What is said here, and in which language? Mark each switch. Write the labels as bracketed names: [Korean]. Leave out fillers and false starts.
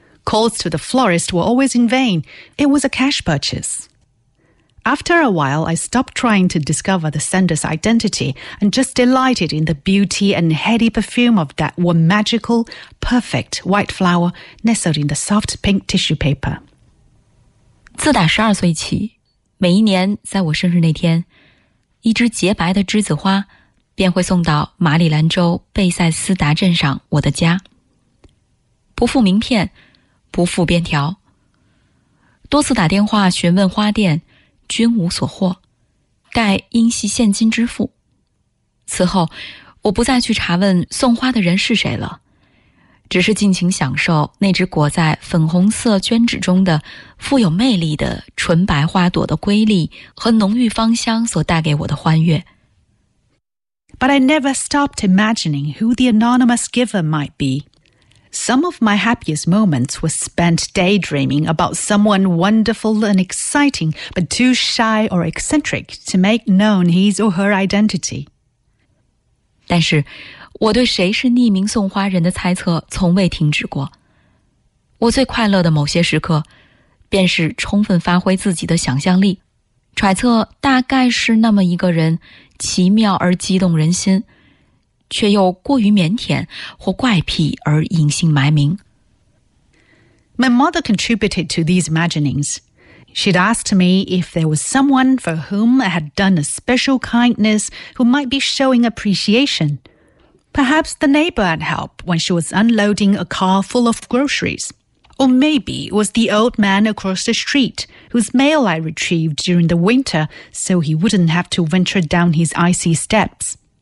[English] Calls to the florist were always in vain. It was a cash purchase. After a while, I stopped trying to discover the sender's identity and just delighted in the beauty and heady perfume of that one magical, perfect white flower nestled in the soft pink tissue paper. [Chinese] 自打12岁起，每一年在我生日那天，一只洁白的栀子花便会送到马里兰州贝塞斯达镇上我的家。不附名片，不附便条。多次打电话询问花店，均无所获，盖应系现金支付。此后，我不再去查问送花的人是谁了，只是尽情享受那只裹在粉红色绢纸中的富有魅力的纯白花朵的瑰丽和浓郁芳香所带给我的欢悦。 [English] But I never stopped imagining who the anonymous giver might be. Some of my happiest moments were spent daydreaming about someone wonderful and exciting, but too shy or eccentric to make known his or her identity. [Chinese] 但是，我对谁是匿名送花人的猜测从未停止过。我最快乐的某些时刻，便是充分发挥自己的想象力，揣测大概是那么一个人，奇妙而激动人心，却又过于腼腆或怪癖而隐姓埋名。 [English] My mother contributed to these imaginings. She'd asked me if there was someone for whom I had done a special kindness who might be showing appreciation. Perhaps the neighbor had helped when she was unloading a car full of groceries. Or maybe it was the old man across the street whose mail I retrieved during the winter so he wouldn't have to venture down his icy steps.